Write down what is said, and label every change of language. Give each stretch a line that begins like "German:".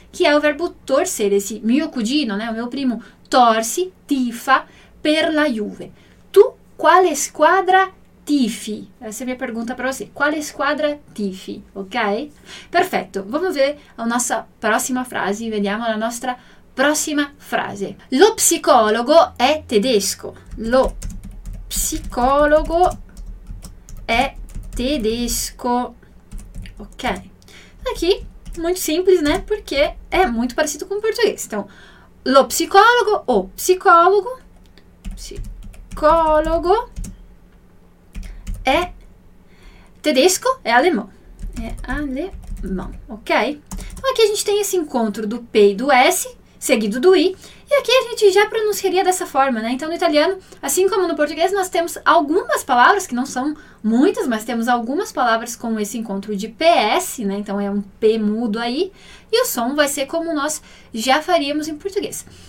Portuguese: Que é o verbo torcer. Esse
Italian: mio cugino,
Portuguese: né? O meu primo torce,
Italian: tifa per la Juve. Tu quale squadra tifi?
Portuguese: Essa é a minha pergunta para você.
Italian: Quale squadra tifi?
Portuguese: Ok? Perfetto. Vamos ver a nossa próxima frase.
Italian: Vediamo la nostra prossima frase. Lo psicologo è tedesco. Lo psicologo è tedesco. Ok.
Portuguese: Aqui, muito simples, né? Porque é muito parecido com o português. Então, lo psicologo, o psicologo,
Italian: psicologo è tedesco,
Portuguese: è alemão. È alemão, ok? Então, aqui a gente tem esse encontro do P e do S, seguido do I, e aqui a gente já pronunciaria dessa forma, né? Então, no italiano, assim como no português, nós temos algumas palavras, que não são muitas, mas temos algumas palavras com esse encontro de PS, né? Então, é um P mudo aí, e o som vai ser como nós já faríamos em português.